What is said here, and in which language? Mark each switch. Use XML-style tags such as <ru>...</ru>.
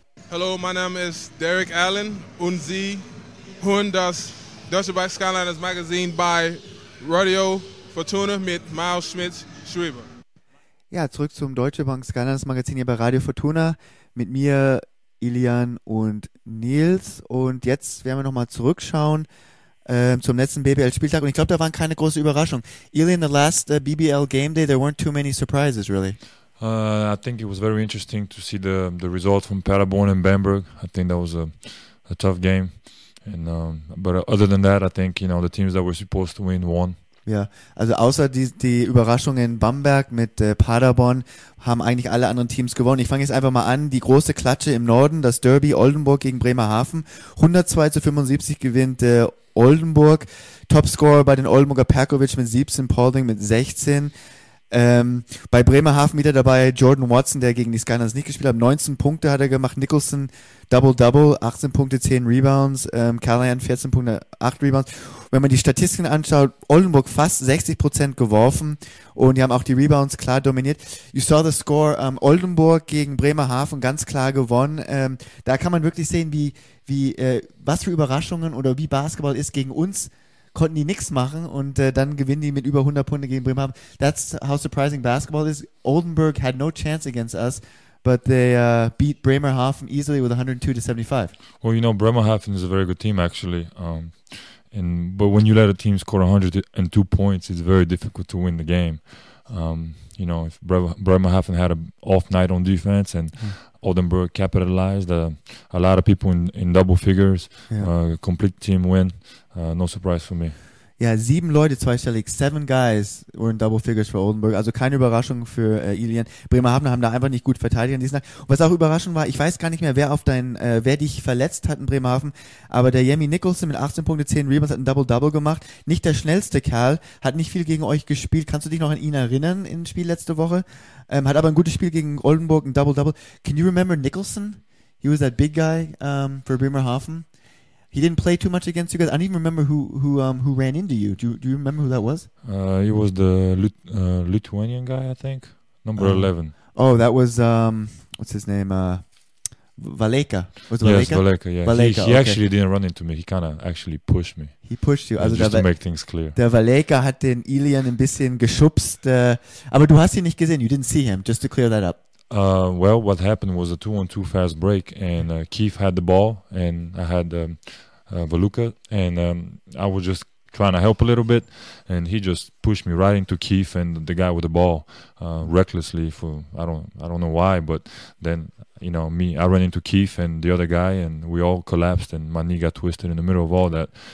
<en>Hello, my name is Derek Allen</en> <de>und Sie hören das Deutsche Bike Skyliners Magazine bei Radio Fortuna mit Miles Schmidt-Schreiber. Ja, zurück zum Deutsche Bank Skyliners Magazin hier bei Radio Fortuna mit mir, Ilyin und Nils. Und jetzt werden wir nochmal zurückschauen zum letzten BBL-Spieltag. Und ich glaube, da waren keine großen Überraschungen.</de> <en>Ilyin, the last BBL game day, there weren't too many surprises, really. I think it was very interesting to see the results from Paderborn and Bamberg. I think that was a tough game. But other than that, I think, you know, the teams that were supposed to win won.</en> <de>Ja, also außer die Überraschung in Bamberg mit Paderborn haben eigentlich alle anderen Teams gewonnen. Ich fange jetzt einfach mal an. Die große Klatsche im Norden, das Derby Oldenburg gegen Bremerhaven. 102-75 gewinnt Oldenburg. Topscorer bei den Oldenburger Perkovic mit 17, Paulding mit 16. Bei Bremerhaven wieder dabei Jordan Watson, der gegen die Skyliners nicht gespielt hat. 19 Punkte hat er gemacht. Nicholson Double-Double, 18 Punkte, 10 Rebounds. Callahan 14 Punkte, 8 Rebounds. Wenn man die Statistiken anschaut, Oldenburg fast 60% geworfen und die haben auch die Rebounds klar dominiert.</de> <en>You saw the score,</en> <de>Oldenburg gegen Bremerhaven ganz klar gewonnen. Da kann man wirklich sehen, was für Überraschungen oder wie Basketball ist gegen uns. Konnten die nichts machen und dann gewinnen die mit über 100 Punkten gegen Bremerhaven.</de> <en>That's how surprising basketball is. Oldenburg had no chance against us, but they beat Bremerhaven easily with 102-75. Well, you know, Bremerhaven is a very good team, actually. But when you let a team score 102 points, it's very difficult to win the game. You know, if Bremerhaven had an off night on defense and Oldenburg capitalized, a lot of people in double figures, complete team win. No surprise for me.</en> <de>Ja, 7 Leute zweistellig.</de> <en>7 guys were in double figures for Oldenburg.</en> <de>Also keine Überraschung für Ilyin. Bremerhaven haben da einfach nicht gut verteidigt an diesem Tag. Und was auch überraschend war, ich weiß gar nicht mehr, wer dich verletzt hat in Bremerhaven, aber der Jamie Nicholson mit 18 Punkte, 10 Rebounds hat ein Double-Double gemacht. Nicht der schnellste Kerl, hat nicht viel gegen euch gespielt. Kannst du dich noch an ihn erinnern im Spiel letzte Woche? Hat aber ein gutes Spiel gegen Oldenburg, ein Double-Double.</de> <en>Can you remember Nicholson? He was that big guy for Bremerhaven. He didn't play too much against you guys. I don't even remember who ran into you. Do you remember who that was? He was the Lithuanian guy, I think. Number 11. Oh, that was, what's his name? Valeka. Was it yes, Valeka? Valeka, yeah. Valeka, he actually didn't run into me. He kind of actually pushed me. He pushed you. Also just to make things clear.</en> <de>Der Valeka hat den Ilyin ein bisschen geschubst. Aber du hast ihn nicht gesehen.</de> <en>You didn't see him, just to clear that up. Well, what happened was a 2-on-2 fast break, and Keith had the ball, and I had Valuka, and I was just trying to help a little bit, and he just pushed me right into Keith and the guy with the ball recklessly for I don't know why, but then, you know, me, I ran into Keith and the other guy, and we all collapsed, and my knee got twisted in the middle of all that.</en>